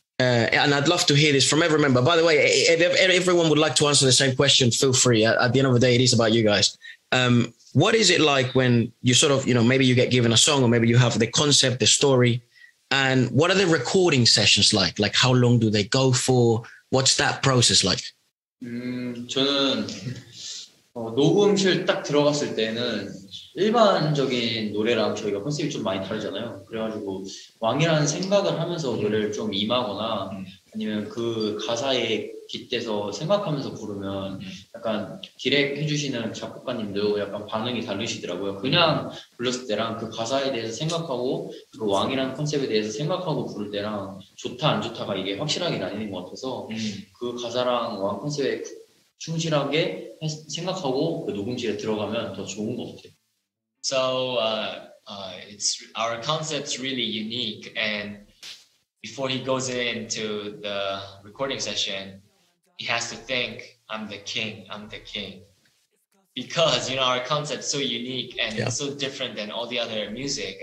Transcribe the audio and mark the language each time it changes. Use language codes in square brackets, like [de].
[en] And I'd love to hear this from every member. By the way, if everyone would like to answer the same question, feel free. At the end of the day, it is about you guys. What is it like when you sort of, you know, maybe you get given a song or maybe you have the concept, the story, and what are the recording sessions like? Like, how long do they go for? What's that process like? [ko] 저는 녹음실 딱 들어갔을 때는 일반적인 노래랑 저희가 컨셉이 좀 많이 다르잖아요. 그래가지고 왕이라는 생각을 하면서 노래를 좀 임하거나 아니면 그 가사에 빗대서 생각하면서 부르면 약간 기획해주시는 작곡가님도 약간 반응이 다르시더라고요. 그냥 불렀을 때랑 그 가사에 대해서 생각하고 그 왕이라는 컨셉에 대해서 생각하고 부를 때랑 좋다 안 좋다가 이게 확실하게 나뉘는 것 같아서 그 가사랑 왕 컨셉에 충실하게 생각하고 그 녹음실에 들어가면 더 좋은 것 같아요. [en] So it's our concept's really unique, and before he goes into the recording session, he has to think, I'm the king. Because, you know, our concept's so unique and so different than all the other music.